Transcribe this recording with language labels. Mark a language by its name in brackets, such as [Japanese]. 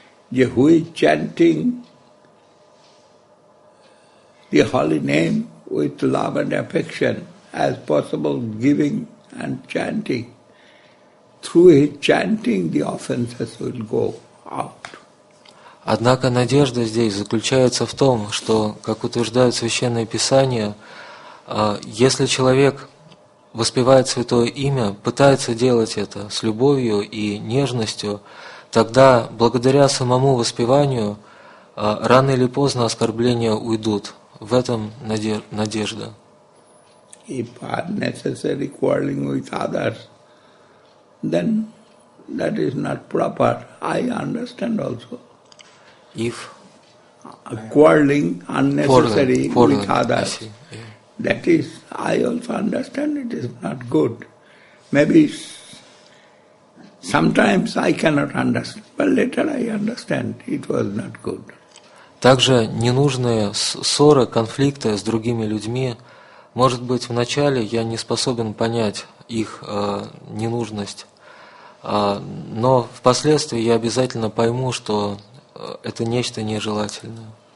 [English] Who is chanting the holy name with love and affection, as possible giving and chanting, through his chanting the offenses will go out. [Russian] Однако надежда здесь заключается в том, что, как утверждают священные писания, если человек воспевает святое имя, пытается делать это с любовью и нежностью, тогда благодаря самому воспеванию рано или поздно оскорбления уйдут. В этом надежда. [English] If unnecessary quarreling with others, then that is not proper. I understand also. If quarreling unnecessary quarreling with others, that is, I also understand it is not good. Maybe sometimes I cannot understand, but later I understand it was not good. [Russian] Также ненужные ссоры, конфликты с другими людьми. Может быть, вначале я не способен понять их ненужность, но впоследствии я обязательно пойму, что это нечто нежелательное.